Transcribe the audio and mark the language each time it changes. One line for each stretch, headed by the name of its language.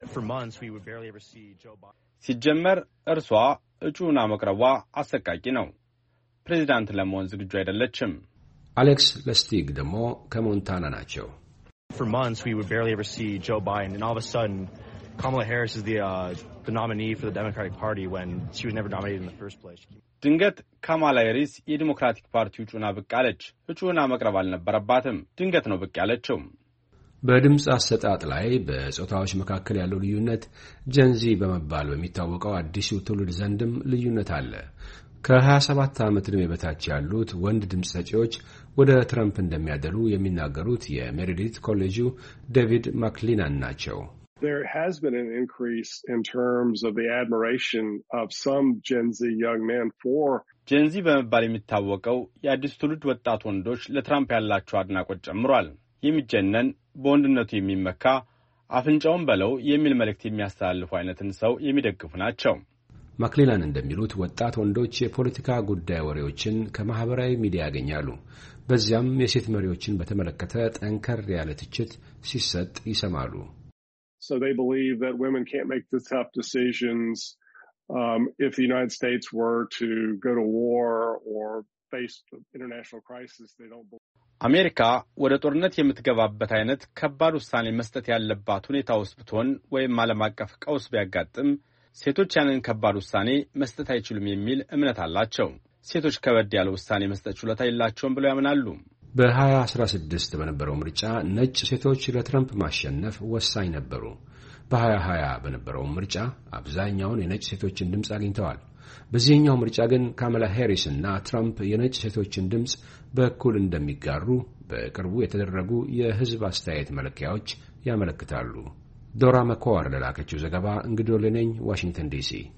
English: For months we would barely ever see Joe Biden.
Amharic: ሲጀመር እርሷ እጩና መቅረቧ አሰቃቂ ነው። ፕሬዚዳንት ለመሆን ዝግጁ አይደለችም። አሌክስ ለስቲግ ደግሞ ከሞንታና ናቸው።
English: For months we would barely ever see Joe Biden and all of a sudden Kamala Harris is the nominee for the Democratic Party when she was never nominated in the first place.
Amharic: ድንገት ካማላ ሃሪስ የዲሞክራቲክ ፓርቲ እጩና ብቅ አለች። እጩና መቅረብ አልነበረባትም። ድንገት ነው ብቅ ያለችው። በድምጽ አሰጣጥ ላይ በጾታዎች መካከለ ያለው ልዩነት ጀንዚ በመባል በሚታወቀው አዲሱ ትውልድ ዘንድም ልዩነት አለ። ከ27 ዓመት ዕድሜ በታች ያሉት ወንድ ድምጽ ሰጪዎች ወደ ትራምፕ እንደሚያደሉ የሚናገሩት የሜሪዲት ኮሌጁ ዴቪድ ማክሊናን ናቸው።
English: There has been an increase in terms of the admiration of some Gen Z young men for
Amharic: Gen Z በመባል የሚታወቀው የአዲሱ ትውልድ ወጣት ወንዶች ለትራምፕ ያላቸው አድናቆት ጨምሯል። የሚጀነን በወንድነቱ የሚመካ አፍንጫውን በለው የሚል መልእክት የሚያስተላልፉ አይነትን ሰው የሚደግፉ ናቸው። ማክሊናን እንደሚሉት ወጣት ወንዶች የፖለቲካ ጉዳይ ወሬዎችን ከማህበራዊ ሚዲያ ያገኛሉ። በዚያም የሴት መሪዎችን በተመለከተ ጠንከር ያለ ትችት ሲሰጥ ይሰማሉ።
English: So they believe that women can't make the tough decisions if the United States were to go to war or face an international crisis. They don't believe
Amharic: America ወደ ጦርነት የምትገባበት አይነት ከባድ ውሳኔ መስጠት ያለባት ሁኔታ ውስጥ ብትሆን ወይም ዓለም አቀፍ ቀውስ ቢያጋጥም ሴቶች ያንን ከባድ ውሳኔ መስጠት አይችሉም የሚል እምነት አላቸው። ሴቶች ከበድ ያለ ውሳኔ መስጠት ችሎታ የላቸውም ብለው ያምናሉ። በ2016 በነበረው ምርጫ ነጭ ሴቶች ለትራምፕ ማሸነፍ ወሳኝ ነበሩ። በ2020 በነበረው ምርጫ አብዛኛውን የነጭ ሴቶችን ድምጽ አግኝተዋል። በዚህኛው ምርጫ ግን ካማላ ሄሪስ እና ትራምፕ የነጭ ሴቶችን ድምጽ በእኩል እንደሚጋሩ በቅርቡ የተደረጉ የህዝብ አስተያየት መለኪያዎች ያመለክታሉ። ዶራ መኮር ለላከችው ዘገባ እንግዶሌ ነኝ ዋሽንግተን ዲሲ።